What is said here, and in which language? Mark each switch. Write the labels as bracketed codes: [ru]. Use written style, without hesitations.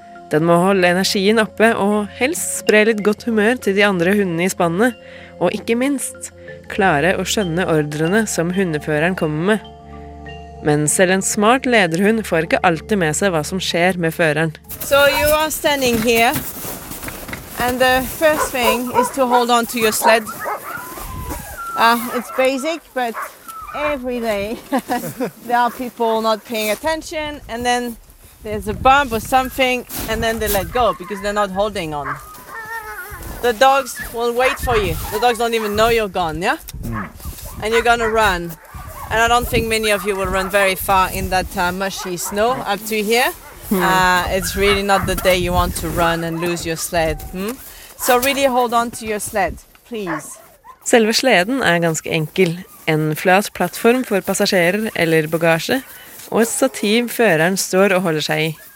[no] Den må holde energien oppe og helst spre litt godt humør til de andre hundene i spannet, og ikke minst klare å skjønne ordrene som hundeføreren kommer med. Men selv en smart lederhund får ikke alltid med seg hva som skjer med føreren. Så du står her, og det første ting er å holde [en] on to your sled. It's basic, but every day there are people not paying attention, and then there's a bump or something, and then they let go because they're not holding on. The dogs will wait for you. The dogs don't even know you're gone, yeah? And you're gonna run. And I don't think many of you will run very far in that mushy snow up to here. It's really not the day you want to run and lose your sled. So really hold on to your sled, please. [no] Selve sleden ganske enkel. En flat plattform for passasjerer eller bagasje, og et stativ føreren står og holder seg i.